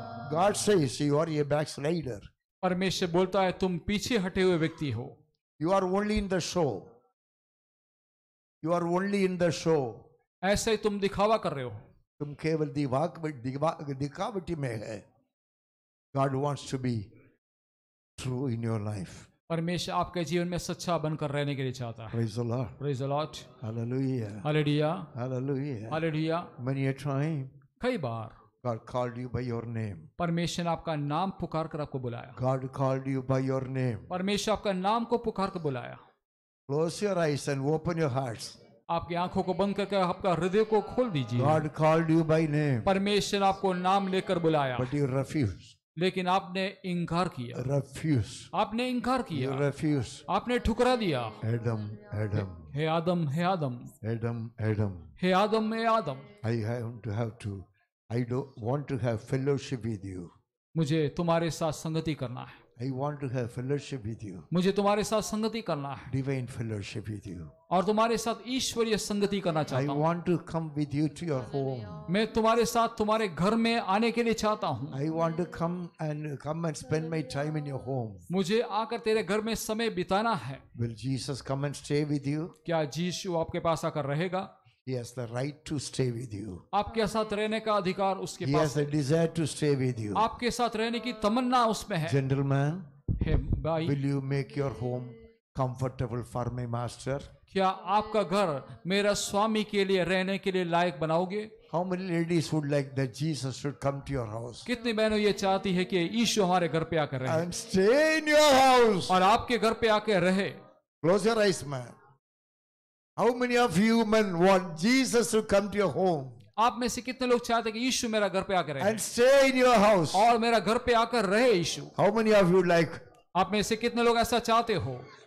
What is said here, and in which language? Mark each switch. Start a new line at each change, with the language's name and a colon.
English: God says you are a backslider.
Hindi: परमेश्वर बोलता है तुम पीछे हटे हुए व्यक्ति हो.
English: You are only in the show. You are only in the show.
Hindi: ऐसे ही तुम दिखावा कर रहे हो. तुम केवल दिखावटी में है.
English: God wants to be true in your life.
Hindi: परमेश्वर आपके जीवन में सच्चा बनकर रहने के लिए चाहता है.
English: Praise the Lord. Praise the Lord. Hallelujah. Hallelujah. Hallelujah. Hallelujah. Many a time.
Hindi: कई बार.
English: God called you by your name.
Hindi: परमेश्वर आपका नाम पुकार कर आपको बुलाया.
English: God called you by your name.
Hindi: परमेश्वर आपका नाम को पुकार कर बुलाया.
English: Close your eyes and open your hearts.
Hindi: आपकी आंखों को बंद करके आपका हृदय को खोल दीजिए.
English: God called you by name.
Hindi: परमेश्वर आपको नाम लेकर बुलाया.
English: But you refused.
Hindi: लेकिन आपने इंकार किया.
English: Refuse.
Hindi: आपने इंकार किया.
English: Refuse.
Hindi: आपने ठुकरा दिया.
English: Adam Adam.
Hindi: Hey Adam hey Adam.
English: Adam Adam.
Hindi: Hey Adam hey Adam.
English: I have to I don't want to have fellowship with you.
Hindi: मुझे तुम्हारे साथ संगति करना है.
English: I want to have fellowship with you.
Hindi: मुझे तुम्हारे साथ संगति करना है.
English: Divine fellowship with you.
Hindi: और तुम्हारे साथ ईश्वरीय संगति करना चाहता हूँ.
English: I want to come with you to your home.
Hindi: मैं तुम्हारे साथ तुम्हारे घर में आने के लिए चाहता हूँ.
English: I want to come and spend my time in your home.
Hindi: मुझे आकर तेरे घर में समय बिताना है.
English: Will Jesus come and stay with you?
Hindi: क्या यीशु आपके पास आकर रहेगा?
English: He has the right to stay with you.
Hindi: आपके साथ रहने का अधिकार उसके पास.
English: He has the desire to stay with you.
Hindi: आपके साथ रहने की तमन्ना उसमें है.
English: Gentleman,
Hindi: hey, भाई,
English: will you make your home comfortable for my master?
Hindi: क्या आपका घर मेरा स्वामी के लिए रहने के लिए लायक बनाओगे?
English: How many ladies would like that Jesus should come to your house?
Hindi: कितनी बहनों ये चाहती है कि यीशु हमारे घर पे आकर रहे?
English: And stay in your house.
Hindi: और आपके घर पे आके रहे.
English: Close your eyes, man. How many of you men want Jesus to come to your home?
Hindi: आप में से कितने लोग चाहते हैं कि यीशु मेरा घर पे आकर रहे?
English: And stay in your house.
Hindi: और मेरा घर पे आकर रहे यीशु.
English: How many of you like?
Hindi: आप में से कितने लोग ऐसा चाहते हो?